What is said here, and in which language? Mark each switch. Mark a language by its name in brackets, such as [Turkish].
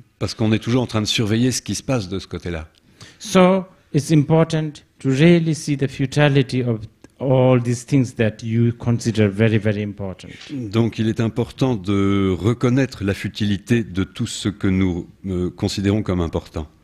[French] Parce qu'on est toujours en train de surveiller ce qui se passe de ce côté-là. [English] So it's important to really see the futility of all these things that you consider very, very important. [French] Donc il est important de reconnaître la futilité de tout ce que nous considérons comme important.